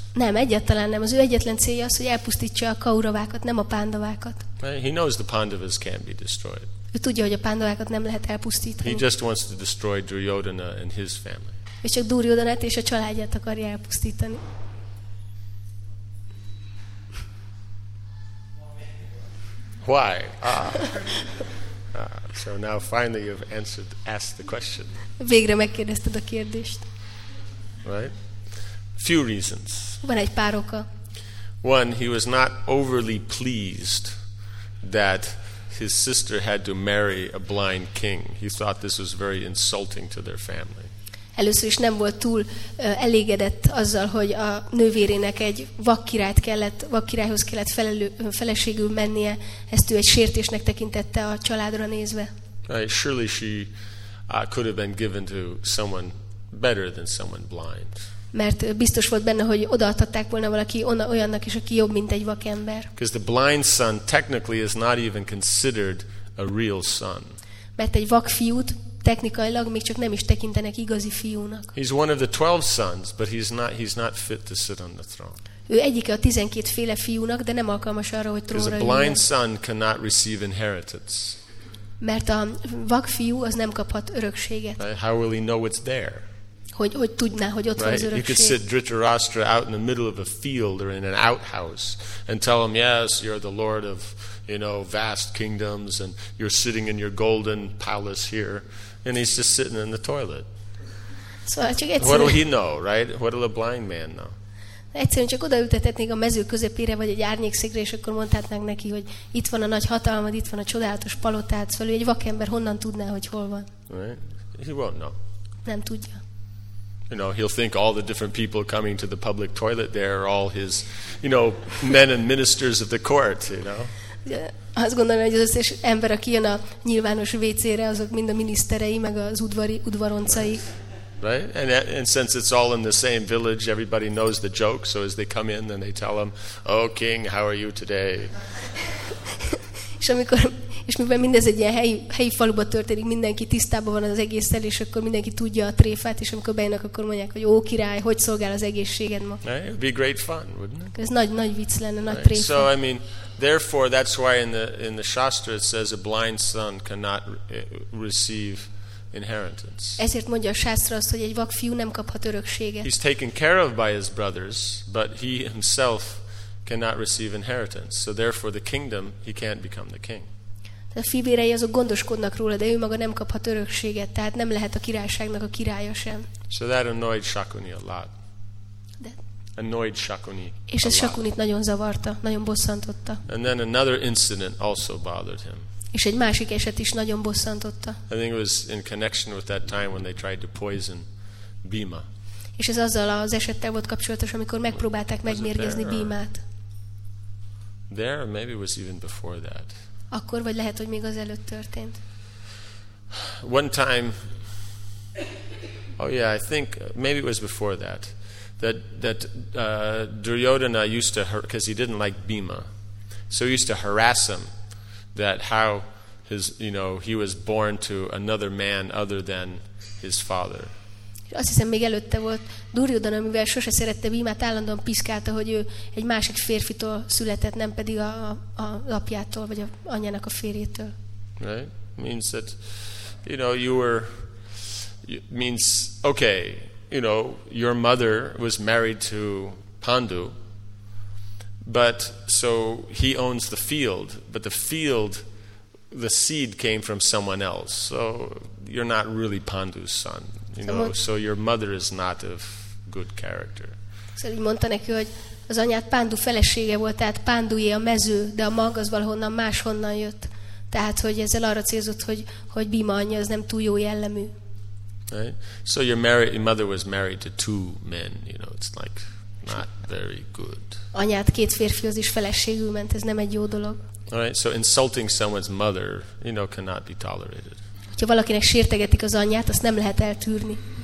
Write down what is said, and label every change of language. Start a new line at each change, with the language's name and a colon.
Hungarian: Nem, egyáltalán nem. Az ő egyetlen célja az, hogy elpusztítsa a Kauravákat, nem a Pandavákat.
English: He knows the Pandavas can't be destroyed.
Hungarian: Ő tudja, hogy a Pandavákat nem lehet elpusztítani.
English: He just wants to destroy Duryodhana and his family.
Hungarian: Ő csak Duryodhanát és a családját akarja elpusztítani.
English: Why? So now finally you've asked the question.
Hungarian: Végre megkérdezted a kérdést.
English: Right? Few reasons.
Hungarian: Van egy pár oka.
English: One, he was not overly pleased that his sister had to marry a blind king. He thought this was very insulting to their family.
Hungarian: Először is nem volt túl elégedett azzal, hogy a nővérének egy vakkirályhoz kellett feleségül mennie, ezt ő egy sértésnek tekintette a családra nézve.
English: Surely she could have been given to someone better than someone blind.
Hungarian: Mert biztos volt benne, hogy odaadhatták volna valaki olyannak is, aki jobb, mint egy vakember.
English: Because the blind son technically is not even considered a real son.
Hungarian: Mert egy vakfiút technikailag még csak nem is tekintenek igazi fiúnak.
English: He's one of the 12 sons, but he's not fit to sit on the throne.
Hungarian: Ő egyike a 12 féle fiúnak, de nem alkalmas arra, hogy trónra üljön.
English: A blind son cannot receive inheritance.
Hungarian: Mert a vak fiú az nem kaphat örökséget.
English: How will he know it's there?
Hungarian: Hogy tudná, hogy ott van az örökség?
English: You could sit Dhritarashtra out in the middle of a field or in an outhouse and tell him, yes, you're the lord of vast kingdoms and you're sitting in your golden palace here and he's just sitting in the toilet. What will he know, right? What will a blind man know?
Hungarian: Egyszerűen csak odaültetetnék a mező közepére vagy egy árnyékszékre, és akkor mondhatnánk neki, hogy itt van a nagy hatalmad, itt van a csodálatos palotád, szóval egy vakember honnan tudná, hogy hol van?
English: Right? He won't know.
Hungarian: Nem tudja.
English: He'll think all the different people coming to the public toilet there are all his, men and ministers of the court,
Hungarian: Azt gondolom, hogy az összes ember, aki jön a nyilvános WC-re, azok mind a miniszterei, meg az udvaroncai.
English: Right? And since it's all in the same village, everybody knows the joke, so as they come in, then they tell him, oh, king, how are you today?
Hungarian: És mivel mindez egy ilyen helyi faluba történik, mindenki tisztában van az egésszel, és akkor mindenki tudja a tréfát, és amikor bejönnek, akkor mondják, hogy ó, király, hogy szolgál az egészséged ma?
English: Right? It would be great fun, wouldn't it?
Hungarian: Ez nagy vicc lenne, nagy tréfa.
English: So, therefore, that's why in the Shastra it says a blind son cannot receive inheritance.
Hungarian: Ezért mondja a Shastra azt, hogy egy vak fiú nem kaphat örökséget.
English: He's taken care of by his brothers, but he himself cannot receive inheritance. So therefore the kingdom, he can't become the king.
Hungarian: A fivérei azok gondoskodnak róla, de ő maga nem kaphat örökséget, tehát nem lehet a királyságnak a királya sem.
English: So that annoyed Shakuni a lot. Annoyed Shakuni.
Hungarian: És ez Shakunit nagyon zavarta, nagyon bosszantotta.
English: And then another incident also bothered him.
Hungarian: És egy másik eset is nagyon bosszantotta.
English: I think it was in connection with that time when they tried to poison Bhima.
Hungarian: És ez azzal az esettel volt kapcsolatos, amikor megpróbálták megmérgezni Bhimát.
English: There maybe was even before that.
Hungarian: Akkor vagy lehet, hogy még az előtt történt.
English: One time, I think maybe it was before that. That Duryodhana used to, because he didn't like Bhima, so he used to harass him that how his, he was born to another man other than his father.
Hungarian: Azt hiszem, még előtte volt Duryodhana, amivel sose szerette Bhimát, állandóan piszkálta, hogy ő egy másik férfitől született, nem pedig a apjától, vagy a anyának a férjétől.
English: Right? Means that, you were, means, okay, your mother was married to Pandu, but so he owns the field, but the field, the seed came from someone else, so you're not really Pandu's son, so your mother is not of good character.
Hungarian: Szóval úgy mondta neki, hogy az anyát Pándu felesége volt, tehát Pándujé a mező, de a mag az valahonnan máshonnan jött. Tehát, hogy ezzel arra célzott, hogy Bhima anyja az nem túl jó jellemű.
English: Right. So your mother was married to two men, you know, it's like not very good.
Hungarian: Anyát két férfihoz is feleségül ment, ez nem egy jó dolog.
English: All right, so insulting someone's mother, you know, cannot be tolerated.
Hungarian: Hogyha valakinek sértegetik az anyját, azt nem lehet eltűrni.